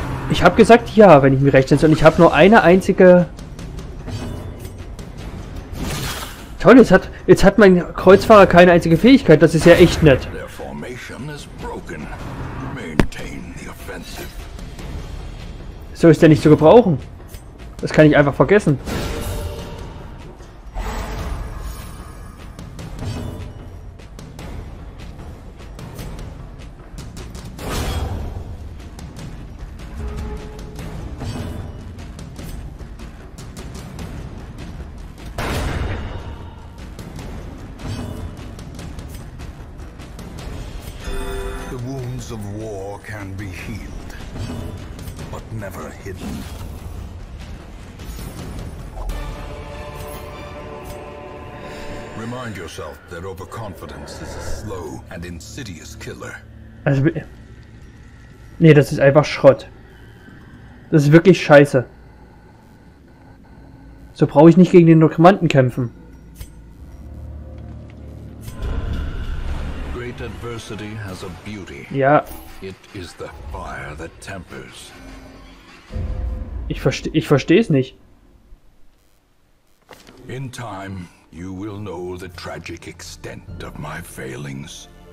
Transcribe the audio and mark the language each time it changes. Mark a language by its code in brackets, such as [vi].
[de] Ich habe gesagt ja, wenn ich mir recht entsinne, und ich habe nur eine einzige. Toll, jetzt hat mein Kreuzfahrer keine einzige Fähigkeit. Das ist ja echt nett. [en] Their formation is broken. Maintain the offensive. [de] So ist der nicht zu gebrauchen. Das kann ich einfach vergessen. [en] The wounds of war can be healed. But never hidden. Remind yourself that overconfidence is a slow and insidious killer. [de] Also, nee, das ist einfach Schrott. Das ist wirklich scheiße. So brauche ich nicht gegen den Nekromanten kämpfen. [en] Great adversity has a beauty. [de] Ja. [en] It is the fire that tempers. [de] Ich verstehe es nicht. [en] In time, you will know the tragic extent of my failings.